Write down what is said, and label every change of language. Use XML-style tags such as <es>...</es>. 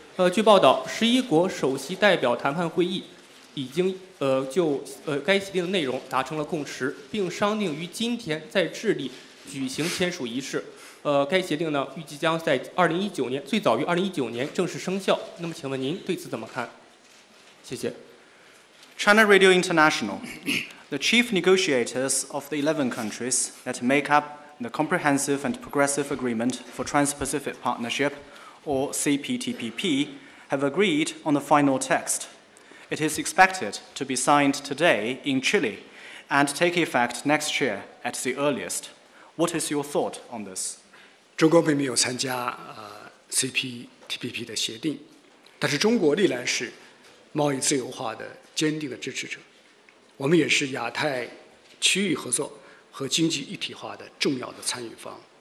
<zh>据报道，十一国首席代表谈判会议已经就该协定的内容达成了共识，并商定于今天在智利举行签署仪式。该协定呢预计将在最早于2019年正式生效。那么请问您对此怎么看？谢谢。</zh> <en>China Radio International, the chief negotiators of the 11 countries that make up the Comprehensive and Progressive Agreement for Trans-Pacific Partnership, or CPTPP, have agreed on the final text. It is expected to be signed today in Chile and take effect next year at the earliest. What is your thought on this?</en> <zh>中国并没有参加CPTPP 的协定，但是中国历来是贸易自由化的坚定的支持者，我们也是亚太区域合作和经济一体化的重要的参与方。</zh>